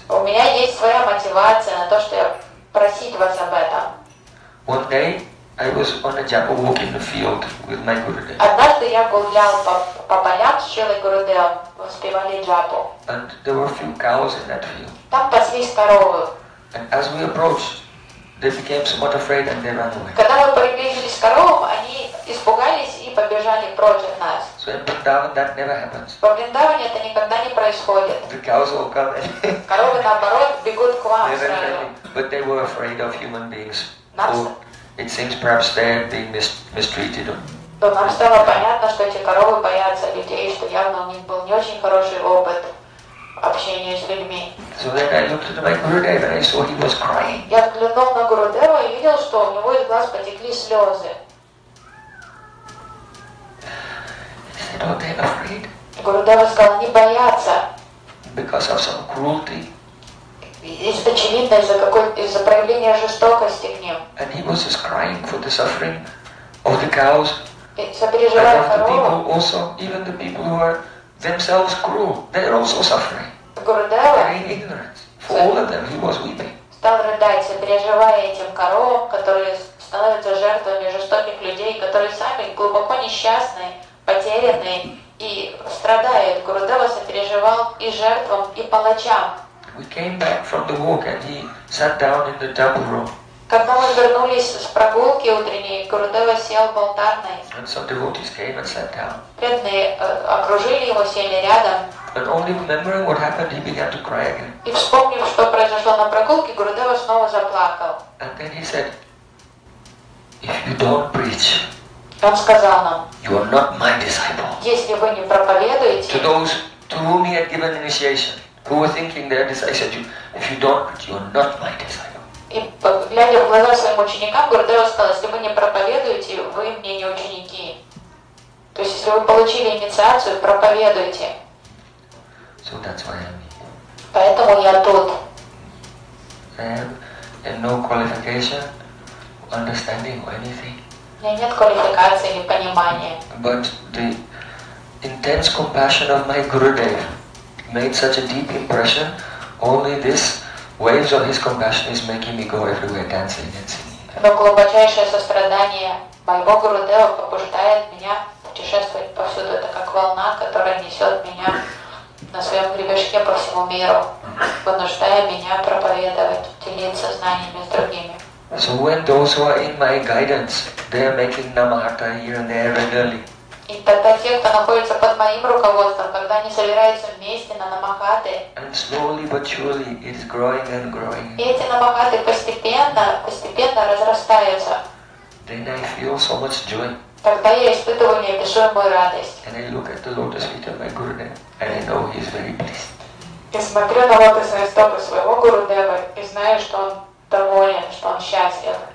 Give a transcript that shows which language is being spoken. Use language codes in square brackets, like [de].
[ru] У меня есть своя мотивация на то, что я просить вас об этом. [en] One day I was on a japa walk in the field with my Gurudev. [ru] Однажды я гулял по полям с Чилой Гурудев, воспевали джапу. [en] And there were a few cows in that field. [ru] Там паслись коровы. [en] And as we approached, they became somewhat afraid and they ran away. [ru] Когда мы приблизились к коровам, они испугались и побежали прочь от нас. [en] So in Vrindavan that never happens. [ru] Во Вриндаване это никогда не происходит. [en] The cows will come. [ru] Коровы наоборот бегут к вам. [en] But they were afraid of human beings. It seems perhaps they are being mistreated. [ru] То нам стало понятно, что эти коровы боятся людей, что явно у них был не очень хороший опыт общения с людьми. [en] So then I looked at my Gurudev and I saw he was crying. [ru] Я взглянул на Гурудева и видел, что у него из глаз потекли слезы. [en] Said, "Are they afraid?" [ru] Гурудева сказал, не боятся. [en] Because of some cruelty. [ru] Есть очевидно из-за проявления жестокости к ним. [en] And he was just crying for the suffering of the cows. [ru] Сопереживая коровам. [en] And the people also, even the people who are themselves cruel, they are also suffering. [ru] Гурудева. [en] In ignorance. For all of them, he was weeping. [ru] Стал рыдать, сопереживая этим коровам, которые становятся жертвами жестоких людей, которые сами глубоко несчастны, потерянные и страдают. Гурудева сопереживал и жертвам, и палачам. [en] We came back from the walk and he sat down in the temple room. [ru] Когда мы вернулись с прогулки утренней, Гурудева сел в алтарной. [en] And some devotees came and sat down. [ru] Преданные окружили его, сели рядом. [en] But only remembering what happened, he began to cry again. [ru] И вспомнив, что произошло на прогулке, Гурудева снова заплакал. [en] And then he said, "If you don't preach, [ru] он сказал нам, [en] you are not my disciple. [ru] Если вы не проповедуете, [en] to those to whom he had given initiation, who were thinking their disciples, I said, if you don't preach, you are not my disciple. [ru] И глядя в глаза своим ученикам, Гурудева сказал, если вы не проповедуете, вы мне не ученики. То есть, если вы получили инициацию, проповедуйте. [en] So that's why I'm here. [ru] Поэтому я тут. [en] I have no qualification, understanding or anything. [ru] У меня нет квалификации или понимания. [en] But the intense compassion of my Gurudev made such a deep impression, only this waves of his compassion is making me go everywhere dancing and singing. [ru] Но глубочайшее сострадание моего Гурудева побуждает меня путешествовать повсюду. Это как волна, которая несет меня на своем гребешке по всему миру, вынуждая меня проповедовать, делиться знаниями с другими. [en] So when those who are in my guidance, they are making namahata here and there regularly. [ru] И тогда те, кто находится под моим руководством, когда они собираются вместе на намахаты. [en] And slowly but surely it is growing and growing. [ru] И эти намахаты постепенно разрастаются. [en] Then I feel so much joy. [ru] Тогда я испытываю неописуемую радость. [en] And I look at the lotus feet of my Gurudev and I know he is very pleased. [ru] Я смотрю на лотосные стопы своего Гурудева и знаю, что он доволен, что он счастлив.